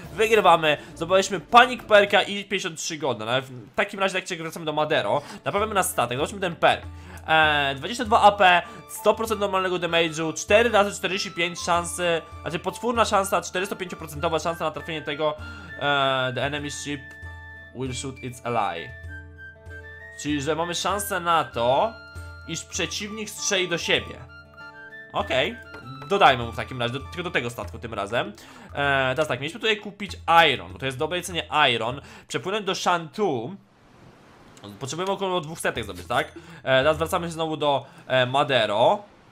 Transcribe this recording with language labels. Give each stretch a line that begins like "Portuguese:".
Polish: Wygrywamy, zobaczyliśmy panic perka i 53 golda. Ale w takim razie tak się wracamy do Madero. Naprawiamy nas statek, zobaczmy ten perk. 22 AP, 100% normalnego damage'u, 4 razy 45 szansy, znaczy potwórna szansa, 405% szansa na trafienie tego.
English: The enemy ship will shoot its ally.
Polish: Czyli, że mamy szansę na to, iż przeciwnik strzeli do siebie. Okej, dodajmy mu w takim razie, tylko do tego statku tym razem. Teraz tak, mieliśmy tutaj kupić iron, bo to jest dobre cenie iron, przepłynąć do Shantou. Potrzebujemy około 200 zrobić, tak? Teraz wracamy się znowu do Madero.